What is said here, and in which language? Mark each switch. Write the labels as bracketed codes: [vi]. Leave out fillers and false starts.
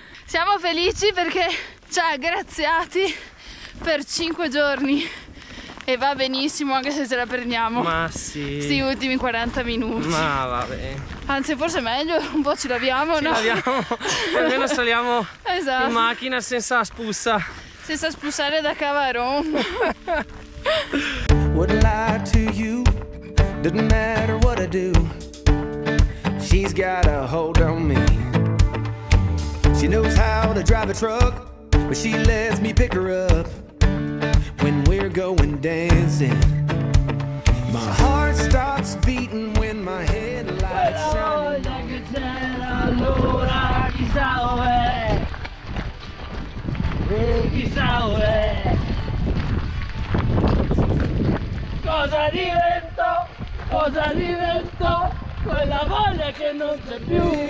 [it] Siamo felici perché ci ha graziati per 5 giorni e va benissimo, anche se ce la prendiamo. Ma sì. Sti ultimi 40 minuti. Ma vabbè. Anzi, forse è meglio, un po' ce l'abbiamo, ci no? Ce l'abbiamo, almeno saliamo esatto. In macchina senza spussa. Senza spussare da Cavaron. [en] Would lie to you, doesn't matter what I do, she's got a hold on me. She knows how to drive a truck, but she lets me pick her up when we're going dancing. My heart stops beating when my headlights shine. [it] Oh, da che c'era allora, chissà dov'è, chissà dov'è, cosa divento, cosa divento, quella voglia che non c'è più.